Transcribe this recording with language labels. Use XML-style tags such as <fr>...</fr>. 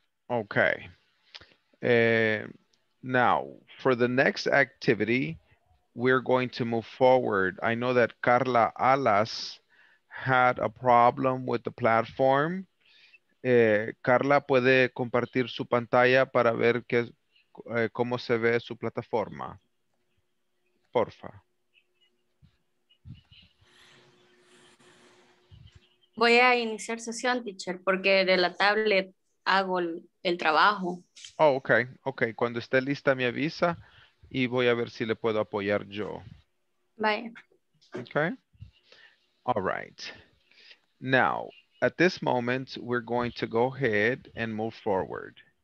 <en>Okay. Now, for the next activity, we're going to move forward. I know that Carla Alas had a problem with the platform.</en> <es>Carla, ¿puede compartir su pantalla para ver que, cómo se ve su plataforma? Porfa. Voy a iniciar sesión, teacher, porque de la tablet hago el trabajo.</es> <en>Oh, okay, okay.</en> <es>Cuando esté lista me avisa y voy a ver si le puedo apoyar yo.</es> <en>Bye. Okay. All right. Now, at this moment, we're going to go ahead and move forward.</en>